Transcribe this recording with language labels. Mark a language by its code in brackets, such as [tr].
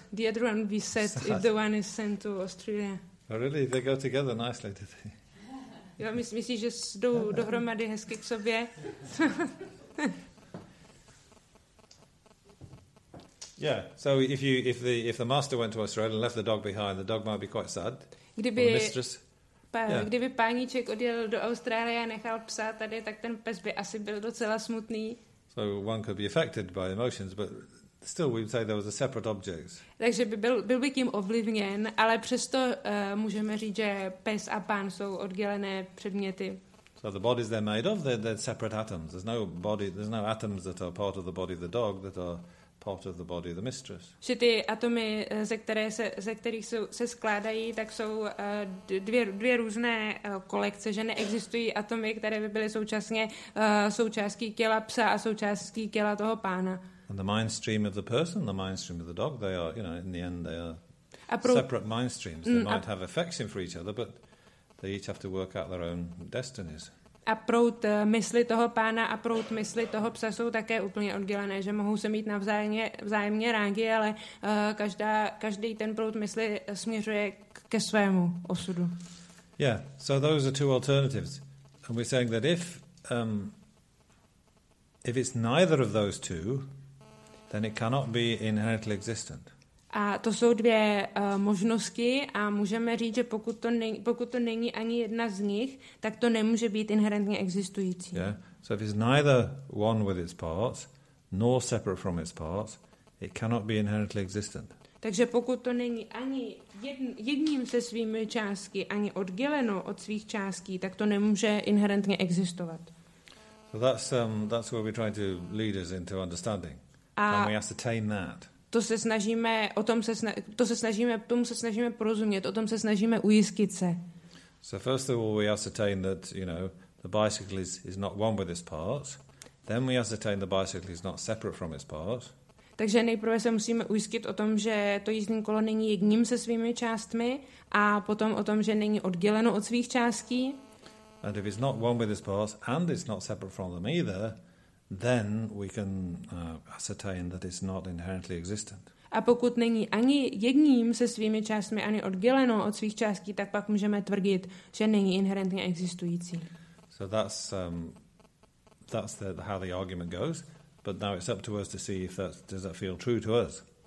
[en] The other one would be sad if the one is sent to Australia. Oh, really? They go together nicely, do they? [cs] Jo, myslíš, že jdou dohromady hezky k sobě? [en] Yeah. So if the master went to Australia and left the dog behind, the dog might be quite sad. [cs] Kdyby mistress. Kdyby páníček odjel do Austrálie a nechal psa tady, tak ten pes by asi byl docela smutný. [en] So one could be affected by emotions, but still, we'd say there was a separate object. [cs] Takže byl by tím ovlivněn, ale přesto můžeme říct, že pes a pán jsou oddělené předměty. [en] So the bodies they're made of, they're separate atoms. There's no body, there's no atoms that are part of the body of the dog that are part of the body of the mistress. [cs] Že ty atomy, ze kterých se skládají, tak jsou dvě různé kolekce, že neexistují atomy, které by byly současně součástí těla psa a součástí těla toho pána. [en] And the mind stream of the person, the mind stream of the dog, they are, you know, in the end, they are separate mind streams. They might have affection for each other, but they each have to work out their own destinies. [cs] A prout mysli toho pána a prout mysli toho psa jsou také úplně oddělené, že mohou se mít navzájemně rádi, ale každý ten prout mysli směřuje ke svému osudu. [en] Yeah, so those are two alternatives. And we're saying that if it's neither of those two, then it cannot be inherently existent. [cs] A to jsou dvě možnosti a můžeme říct, že pokud to není ani jedna z nich, tak to nemůže být inherentně existující. [en] Yeah. So if it's neither one with its parts, nor separate from its parts, it cannot be inherently existent. [cs] Takže pokud to není ani jedním ze svými částky, ani odděleno od svých částí, tak to nemůže inherentně existovat. [en] So that's what we try to lead us into understanding. And we ascertain that. [cs] To se snažíme porozumět, o tom se snažíme ujistit se. [en] So first of all we ascertain that, you know, the bicycle is not one with its parts. Then we ascertain the bicycle is not separate from its parts. [cs] Takže nejprve se musíme ujistit o tom, že to jízdní kolo není jedním se svými částmi a potom o tom, že není odděleno od svých částí. [en] And if it's not one with its parts and it's not separate from them either, then we can ascertain that it's not inherently existent. [cs] A pokud není ani jedním se svými částmi ani odděleno od svých částí, tak pak můžeme tvrdit, že není inherentně existující. [en] So that's how the argument goes. But now it's up to us to see if that does that feel true to us.